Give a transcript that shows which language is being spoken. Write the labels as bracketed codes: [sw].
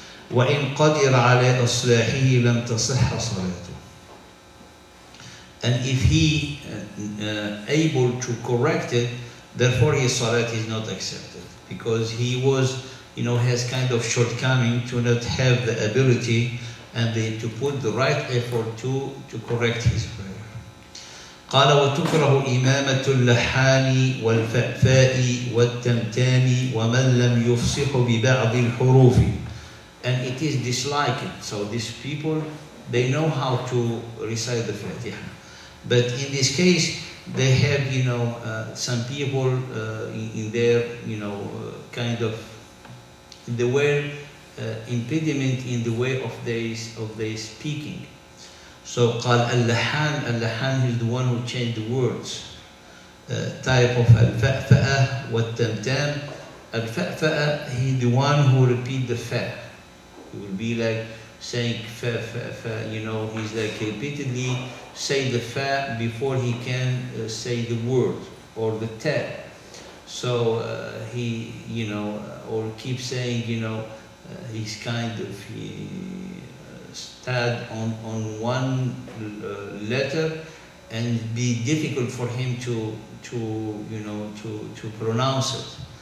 [ar] وَإِنْ قَدِرَ عَلَىٰ أَصْلَاحِهِ لَمْ تَصَحَّ صَلَاتُهُ [en] And if he able to correct it, therefore his salat is not accepted, because he was, you know, has kind of shortcoming to not have the ability and the, to put the right effort to correct his prayer. [ar] قال وتكره إمامة اللحان والفأفاء والتمتان ومن لم يفصح ببعض الحروف [en] And it is disliked. So these people, they know how to recite the Fatiha. But in this case, they have, you know, some people in their, you know, kind of, they were impediment in the way of their speaking. So, [ar] قال اللحان, [en] اللحان is the one who changed the words. Type of الفأفأة والتمتام. الفأفأة, he the one who repeat the fa. He will be like saying fa, you know, he's like repeatedly, say the fa before he can say the word or the ta. So he, you know, or keep saying, you know, he's kind of he stand on one letter and be difficult for him to you know to pronounce it.